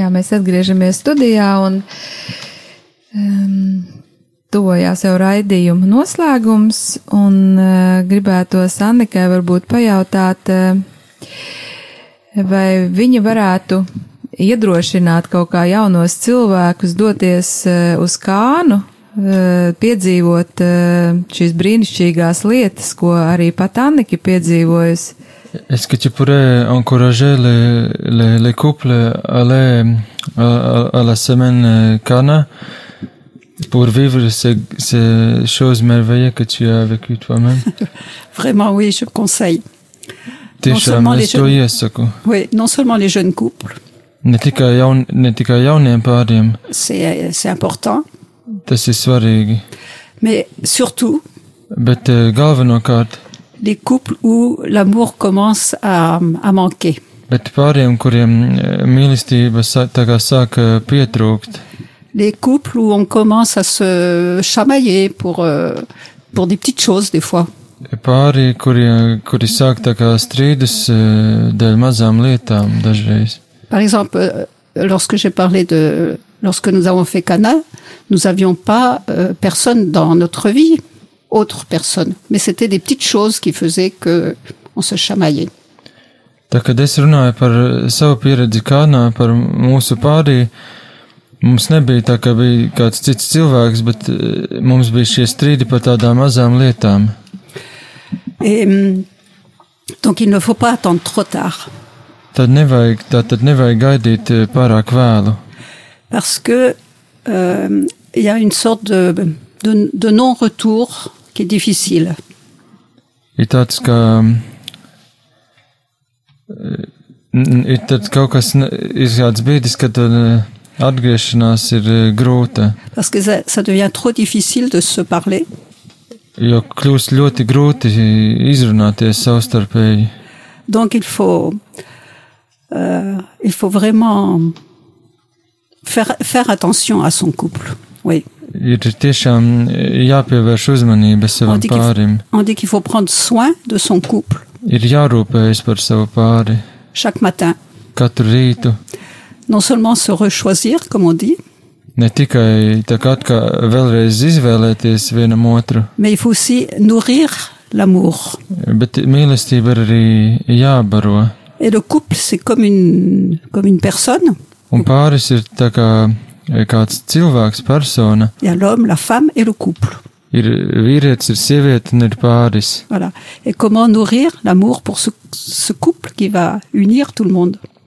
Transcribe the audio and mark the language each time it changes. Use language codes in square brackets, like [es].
[lv] Atgriežamies studijā un tojās jau raidījuma noslēgums un gribētos Annikai varbūt pajautāt, vai viņa varētu iedrošināt kaut kā jaunos cilvēkus doties uz Kānu, piedzīvot šīs brīnišķīgās lietas, ko arī pat Annika piedzīvojusi. [fr] Est-ce que tu pourrais encourager les couples à aller à la semaine Cana pour vivre ces choses merveilleuses que tu as vécues toi-même? Vraiment, oui, je conseille. Non seulement les jeunes couples. [lv] Ne tikai jauniem pāriem. [fr] C'est important. [lv] Tas ir svarīgi. [fr] Mais surtout. [lv] Bet galvenokārt. [fr] Les couples où l'amour commence à manquer. [lv] Bet pāriem, kuriem mīlestība tā kā sāk pietrūkt. [fr] Les couples où on commence à se chamailler pour des petites choses des fois. [lv] Pāri, kuri sāk tā kā strīdus dēļ mazām lietām dažreiz. [fr] Par exemple, lorsque j'ai parlé de lorsque nous avons fait Cana, nous avions pas personne dans notre vie, autre personne, mais c'était des petites choses qui faisaient que on se chamaillait. [lv] Tā kā es runāju par savu pieredzi Kanā, par mūsu pāri, mums nebija tā, ka bija kāds cits cilvēks, bet mums bija šie strīdi par tādām mazām lietām. [fr] Donc il ne faut pas attendre trop tard. [lv] Tad nevajag gaidīt pārāk vēlu. [fr] Parce que il y a une sorte de non-retour qui est difficile. [lv] Ir tāds, ka ir tad kaut kas ir kāds bīdis, ka tad atgriešanās ir grūta. [fr] Parce que ça devient trop difficile de se parler. [lv] Jo kļūst ļoti grūti izrunāties savstarpēji. [fr] Donc il faut vraiment faire attention à son couple. Oui. [lv] Ir tiešām jāpievērš uzmanība savam pārim. [fr] On dit qu'il faut prendre soin de son couple. [lv] Ir jārūpējas par savu pāri. [fr] Chaque matin. [lv] Katru rītu. [fr] Non seulement se rechoisir, comme on dit. [lv] Ne tikai tā kā vēlreiz izvēlēties vienam otru. [fr] Mais il faut aussi nourrir l'amour. [lv] Bet mīlestība ir arī jābaro. [fr] Et le couple, c'est comme une personne. [lv] Un pāris ir tā kā kāds cilvēks persona. [fr] Ja l'homme, la femme et le couple. [lv] Ir vīrietis, ir sieviete, un ir pāris. [fr] Voilà. Et comment nourrir l'amour pour ce couple qui va unir tout le monde?